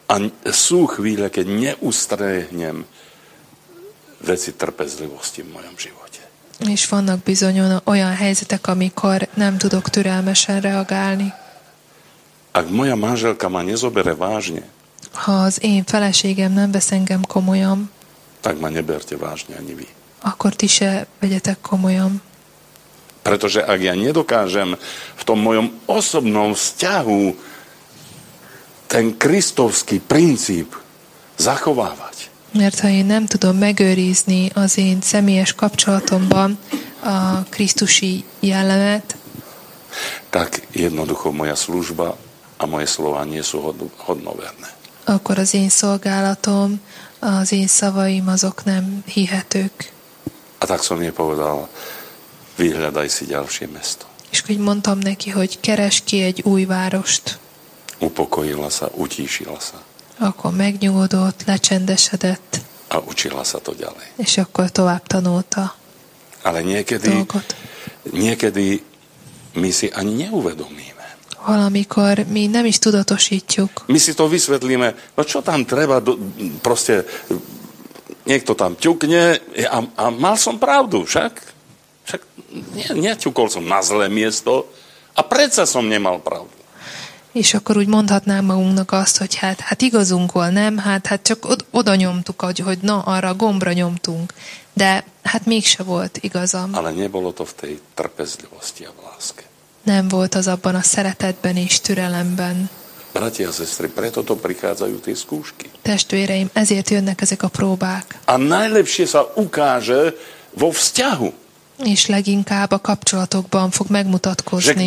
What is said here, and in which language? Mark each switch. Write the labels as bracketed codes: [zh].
[sk] A sú chvíle, keď neustrehnem veci trpezlivosti v mojom živote. [hu] És vannak bizony olyan helyzetek, amikor nem tudok türelmesen reagálni. [sk] Ak moja manželka ma nezobere vážne, [hu] ha az én feleségem nem vesz engem komolyan, [sk] tak ma neberte vážne ani vy. [hu] Akkor ti se vegyetek komolyan. [sk] Pretože ak ja nedokážem v tom mojom osobnom vzťahu ten kristovský princíp zachovávať, [hu] mert ha én nem tudom megőrizni az én személyes kapcsolatomban a Krisztusi jellemet, [sk] tak jednoducho moja služba a moje slova nie sú hodnoverné. [hu] Akkor az én szolgálatom, az én szavaim, azok nem hihetők. [sk] A tak som jej povedal, vyhľadaj si ďalšie mesto. [hu] És keď mondtam neki, hogy keres ki egy új várost. [sk] Upokojila sa, utíšila sa. [hu] Akkor megnyugodott, lecsendesedett. [sk] A učila sa to ďalej. [hu] És akkor tovább tanulta. [sk] Ale niekedy my si ani neuvedomíme. [hu] Valamikor mi nem is tudatosítjuk. [sk] My si to vysvetlíme, no čo tam treba, proste niekto tam ťukne a mal som pravdu, však? Však neťukol som na zlé miesto a predsa som nemal pravdu. [hu] És akkor úgy mondhatnám magunknak azt, hogy hát igazunk volt, nem? Hát csak oda nyomtuk, hogy na, arra gombra nyomtunk. De hát mégse volt igazam. [sk] Ale nebolo to v tej trpezlivosti a v láske. [hu] Nem volt az abban a szeretetben és türelemben. [sk] Bratia, sestri, preto to prichádzajú tie skúšky. [hu] Testvéreim, ezért jönnek ezek a próbák. [sk] A najlepšie sa ukáže vo vzťahu. [hu] És leginkább a kapcsolatokban fog megmutatkozni.